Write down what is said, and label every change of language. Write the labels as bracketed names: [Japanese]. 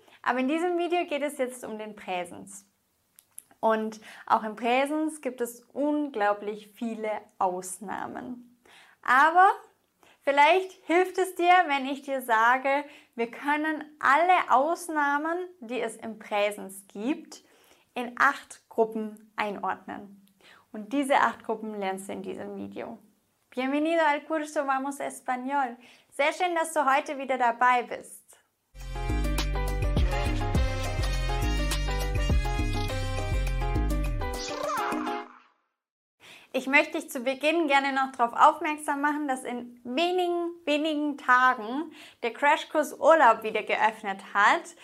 [German] Aber in diesem Video geht es jetzt um den Präsens. Und auch im Präsens gibt es unglaublich viele Ausnahmen. Aber vielleicht hilft es dir, wenn ich dir sage, wir können alle Ausnahmen, die es im Präsens gibt, in 8 Gruppen einordnen. Und diese 8 Gruppen lernst du in diesem Video. [Spanish] Bienvenido al curso Vamos Español. [German] Sehr schön, dass du heute wieder dabei bist. Ich möchte dich zu Beginn gerne noch darauf aufmerksam machen, dass in wenigen Tagen der Crashkurs Urlaub wieder geöffnet hat.